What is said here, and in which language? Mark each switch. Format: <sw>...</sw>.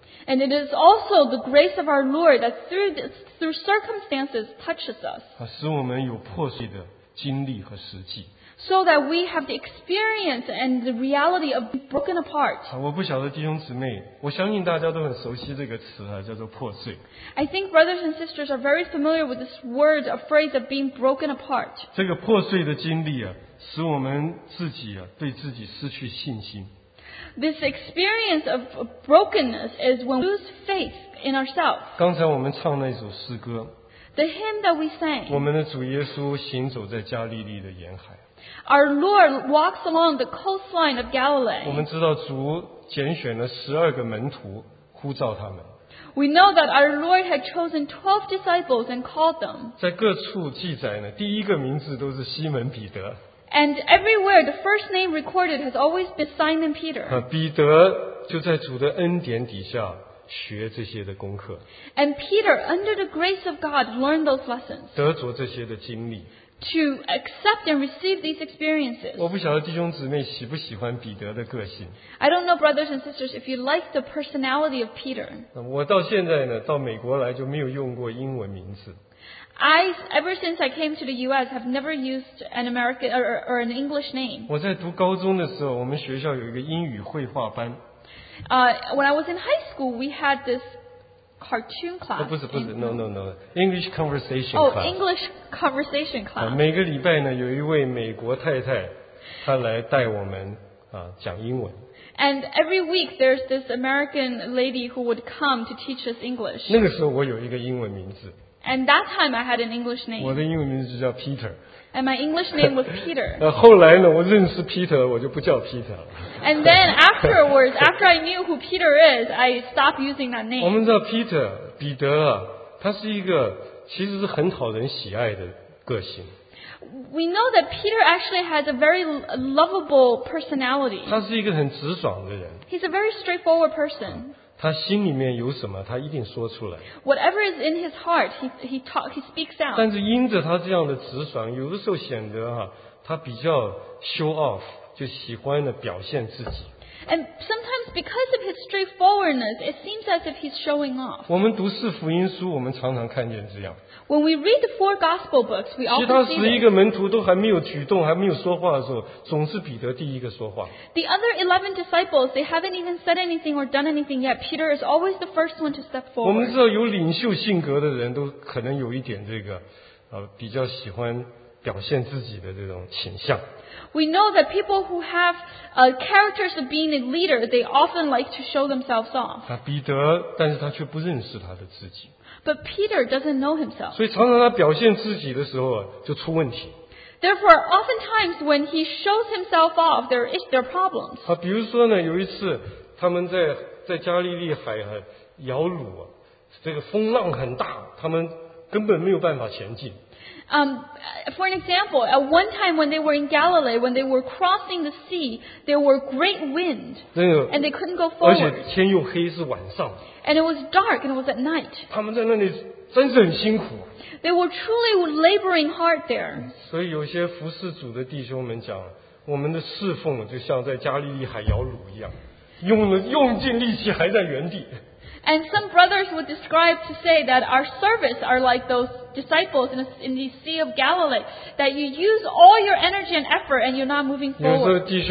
<en>And it is also the grace of our Lord that through circumstances touches us.</en> <zh>使我们有破碎的经历和实际。</zh> <en>So that we have the experience and the reality of being broken apart.</en> <zh>我不晓得弟兄姊妹, 我相信大家都很熟悉这个词啊, 叫做破碎。</zh> <en>I think brothers and sisters are very familiar with this word, a phrase of being broken apart.</en> <zh>这个破碎的经历啊, 使我们自己啊, 对自己失去信心。</zh> <en>This experience of brokenness is when we lose faith in ourselves.</en> <zh>刚才我们唱那首诗歌,</zh> <en>the hymn that we sang,</en> <zh>我们的主耶稣行走在加利利的沿海,</zh> <en>our Lord walks along the coastline of Galilee.</en> <zh>我们知道主拣选了12个门徒, 呼召他们。</zh> <en>We know that our Lord had chosen 12 disciples and called them.</en> <zh>在各处记载呢, 第一个名字都是西门彼得。</zh> <en>And everywhere, the first name recorded has always been Simon Peter.</en> <zh>彼得就在主的恩典底下学这些的功课。</zh> <en>And Peter, under the grace of God, learned those lessons.</en> <zh>得着这些的经历。</zh> <en>To accept and receive these experiences.</en> <zh>我不晓得弟兄姊妹喜不喜欢彼得的个性。</zh> <en>I don't know, brothers and sisters, if you like the personality of Peter.</en> <zh>我到现在呢, 到美国来就没有用过英文名字。</zh> <en>I, ever since I came to the U.S., have never used an American or an English name.</en> <zh>我在读高中的时候, 我们学校有一个英语绘画班。</zh> <en>When I was in high school, we had this cartoon class.</en> <zh>不是,</zh> <en>no. English conversation class. Oh, English conversation class.</en> <zh>每个礼拜呢, 有一位美国太太, 她来带我们, 讲英文。</zh> <en>And every week, there's this American lady who would come to teach us English.</en> <zh>那个时候我有一个英文名字。</zh> <en>And that time, I had an English name.</en> <zh>我的英文名字叫 Peter.</zh> <en>And my English name was Peter.</en> <zh>后来呢, 我认识 Peter, 我就不叫 Peter 了。</zh> <en>And then afterwards, after I knew who Peter is, I stopped using that name.</en> <zh>我们知道 Peter, 彼得, 他是一个, 其实是很讨人喜爱的个性。</zh> <en>We know that Peter actually has a very lovable personality.</en> <zh>他是一个很直爽的人。</zh> <en>He's a very straightforward person.</en> <zh>他心里面有什么,他一定说出来。</zh> <en>Whatever is in his heart, he speaks out.</en> <zh>但是因着他这样的直爽, 有的时候显得啊, 他比较</zh> <en>show off,</en> <zh>就喜欢的表现自己。</zh> <en>And sometimes because of his straightforwardness, it seems as if he's showing off.</en> <zh>我们读四福音书, 我们常常看见这样。</zh> <en>When we read the four gospel books, we often see that.</en> <zh>其他11个门徒都还没有举动, 还没有说话的时候, 总是彼得第一个说话。</zh> <en>The other 11 disciples, they haven't even said anything or done anything yet. Peter is always the first one to step forward.</en> <zh>我们知道有领袖性格的人都可能有一点这个, 比较喜欢表现自己的这种倾向。</zh> <en>We know that people who have characters of being a leader, they often like to show themselves off.</en> <zh>彼得, 但是他却不认识他的自己。</zh> <en>But Peter doesn't know himself.</en> <zh>所以常常他表现自己的时候就出问题。</zh> <en>Therefore, oftentimes when he shows himself off, there are problems.</en> <zh>比如说呢, 有一次他们在加利利海摇橹, 这个风浪很大, 他们根本没有办法前进。</zh> <en>For an example, at one time when they were in Galilee, when they were crossing the sea, there were great wind, and they couldn't go forward.</en> <zh>而且天又黑, 是晚上,</zh> <en>and it was dark, and it was at night.</en> <zh>他们在那里真是很辛苦,</zh> <en>they were truly laboring hard there.</en> <zh>所以有些服侍主的弟兄们讲, 我们的侍奉就像在加利利海摇橹一样, 用尽力气还在原地。</zh> <en>And some brothers would describe to say that our service are like those disciples in the Sea of Galilee, that you use all your energy and effort and you're not moving forward.</en>